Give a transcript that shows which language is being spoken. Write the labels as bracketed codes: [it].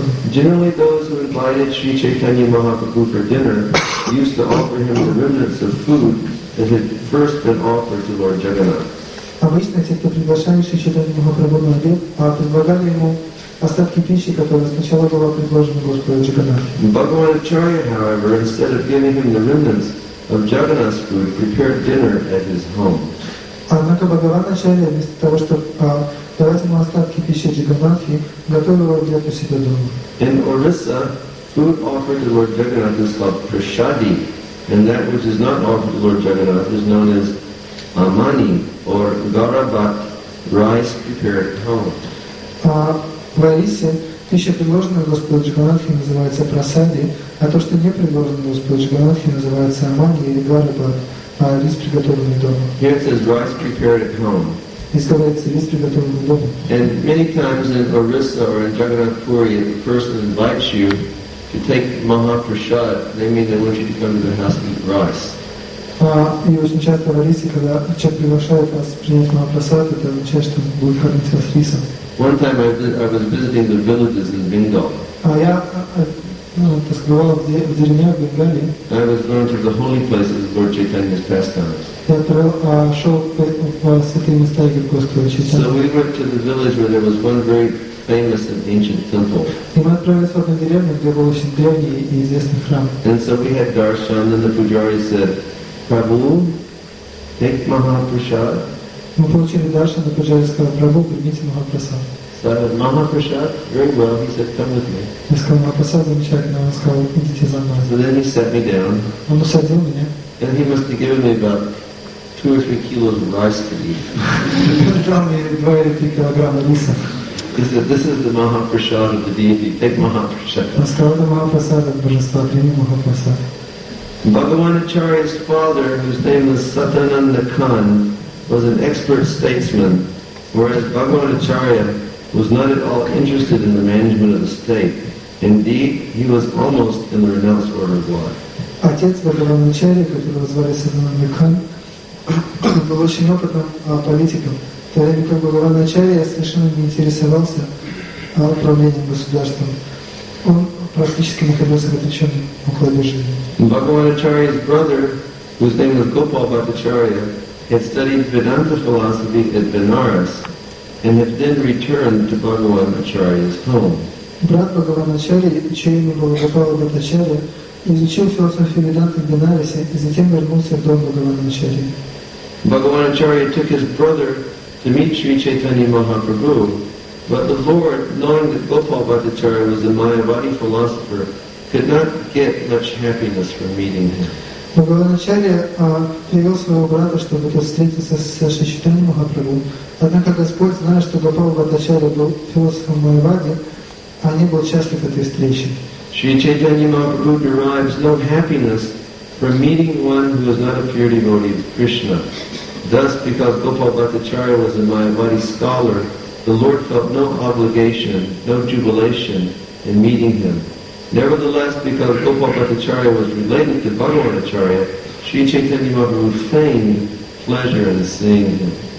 [en] Generally, those who invited Sri Chaitanya Mahaprabhu for dinner used to offer him the remnants of food that had first been offered to Lord Jagannath. [ru] Обычно те, кто приглашали Шри Чайтанья Махапрабху на обед, предлагали ему остатки пищи, которая сначала была предложена Господу Джаганнатху. [en] Bhagavan Acharya, however, instead of giving him the remnants of Jagannath's food, prepared dinner at his home. [ru] Однако Бхагаван Ачарья, вместо того, чтобы давать ему остатки пищи Джаганнатхи, готовил обед у себя дома. [en] In Orissa, food offered to Lord Jagannath is called prashadi, and that which is not offered to Lord Jagannath is known as amani or garabat, rice prepared at home. [ru] В Орисе пища, предложенная Господу Джаганнатхи, называется прасади, а то, что не предложено Господу Джаганнатхи, называется амани или гарабат, а рис приготовленный дома. [en] Here it says rice prepared at home. [ru] Здесь говорится рис приготовленный дома. [en] And many times in Orissa or in Jagannath Puri, if a person invites you to take mahaprasad, they mean they want you to come to their house and eat rice. [ru] И очень часто в Орисе, когда человек приглашает вас принять махапрасад, это означает, что он будет кормить вас рисом. [en] One time I was visiting the villages in Bengal. I was going to the holy places of Lord Chaitanya's pastimes. So we went to the village where there was one very famous and ancient temple. And so we had darshan, and the pujari said, Prabhu, take mahaprasad. [ru] Мы получили дальше на Пуджарского Прабу, примите Махапрасад. [en] Махапрасад, very well, he said, come with me. [ru] Я сказал, Махапрасад замечательно, он сказал, идите за мной. [en] So then he set me down. [ru] Он усадил меня. [en] And he must have given me about 2 or 3 kilos of rice to eat. [ru] Он дал мне 2 или 3 килограмма риса. [en] He said, this is the Махапрасад of the deity, take Махапрасад. [ru] Он сказал, это Махапрасад от Божества, прими Махапрасад. [en] Bhagavan Acharya's father, whose name was Satananda Khan, was an expert statesman, whereas Bhagavan Acharya was not at all interested in the management of the state. Indeed, he was almost in the renounced order of life. [ru] Отец Бхагаван Ачарья, которого звали Сатананда Кхан, был очень опытным политиком. Тогда как Бхагаван Ачарья совершенно не интересовался управлением государством. Он практически находился отреченным уклад жизни. [en] Bhagavan Acharya's brother, whose name was Gopal Bhattacharya, had studied Vedanta philosophy at Benares and had then returned to Bhagavan Acharya's home. [ru] Брат Бхагаван Ачарья, чье имя было Гопала Бхаттачарья, изучил философию Веданты в Бенаресе и затем вернулся в дом Бхагавана Ачарья. [en] Бхагаван Ачарья took his brother to meet Sri Chaitanya Mahaprabhu, but the Lord, knowing that Gopal Bhattacharya was a Mayavadi philosopher, could not get much happiness from meeting him. [ru] Бхагаван Ачарья привел своего брата, чтобы тот встретился с Шри Чайтаньей Махапрабху. Однако Господь, зная, что Гопала Бхаттачарья был философом Майявади, не был счастлив этой встречи. [en] Шри Чайтанья Махапрабху derives no happiness from meeting one who is not a pure devotee of Krishna. Thus, because Гопала Бхаттачарья was a Майявади scholar, the Lord felt no obligation, no jubilation in meeting him. Nevertheless, because Gopal Bhattacharya was related to Bhagavan Acharya, Sri Chaitanya Mahaprabhu feigned pleasure in seeing him.